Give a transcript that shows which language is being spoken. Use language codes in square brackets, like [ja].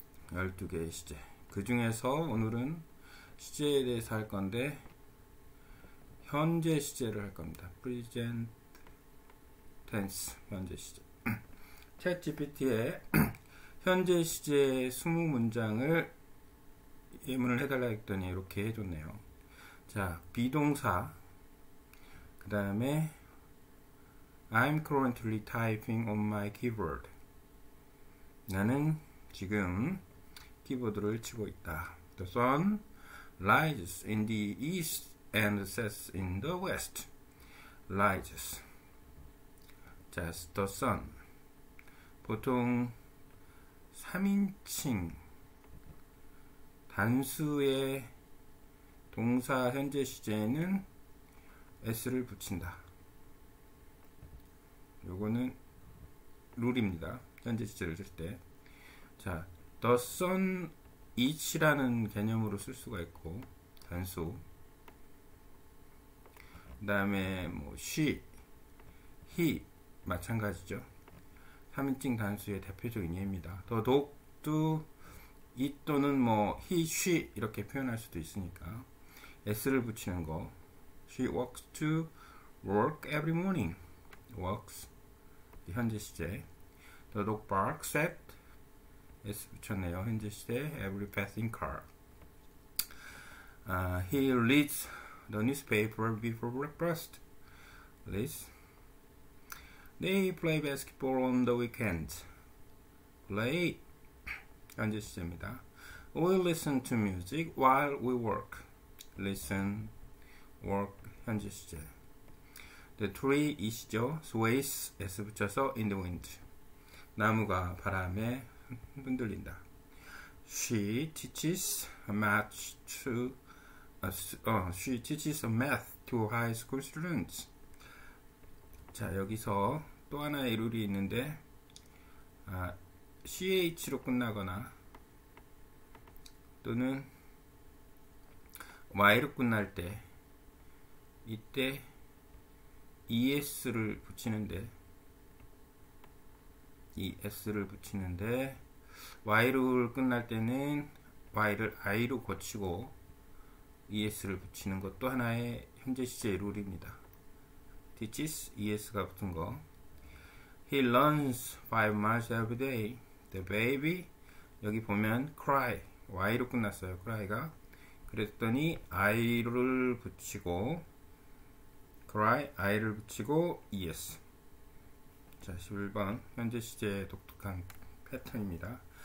[ko] 12개의 시제. 그 중에서 오늘은 시제에 대해서 할 건데, 현재 시제를 할 겁니다. [en] Present tense, [ko] 현재 시제. ChatGPT에 현재 시제 20문장을 예문을 해달라 했더니 이렇게 해줬네요. 자, 비동사. 그 다음에, [en] I'm currently typing on my keyboard. [ko] 나는 지금 키보드를 치고 있다. [en] The sun rises in the east and sets in the west. Rises. 자, the sun. [ko] 보통 3인칭 단수의 동사 현재 시제에는 S를 붙인다. 요거는 룰입니다. 현재 시제를 쓸 때. 자, [en] the sun is [ko] 라는 개념으로 쓸 수가 있고, 단수. 그 다음에, 뭐, she, he, 마찬가지죠. 3인칭 단수의 대표적인 예입니다. 더더욱 또, it 또는 뭐, he, she, 이렇게 표현할 수도 있으니까. S를 붙이는 거. [en] She walks to work every morning. Walks. [ko] 현재 시제. [en] The dog barks at. [ko] S 붙였네요. 현재 시제. [en] Every passing car. He reads the newspaper before breakfast. Reads. They play basketball on the weekends. [ko] Play. 현재 시제입니다. [en] We listen to music while we work. Listen, work, [ko] 현재 시제. [en] The tree [ko] 이시죠? [en] sways, [ko] s 붙여서 [en] in the wind. [ko] 나무가 바람에 흔들린다. [en] She teaches math to, she teaches math to high school students. [ko] 자, 여기서 또 하나의 룰이 있는데, CH로 끝나거나, 또는, Y로 끝날 때, 이때, ES를 붙이는데, ES를 붙이는데, Y로 끝날 때는, Y를 I로 고치고, ES를 붙이는 것도 하나의 현재 시제의 룰입니다. teaches, ES가 붙은 거. [en] He runs 5 miles every day. The baby, [ko] 여기 보면, [en] cry. [ko] Y로 끝났어요. cry가. 그랬더니 I를 붙이고 cry, I를 붙이고 yes. 자, 11번 현재 시제의 독특한 패턴입니다.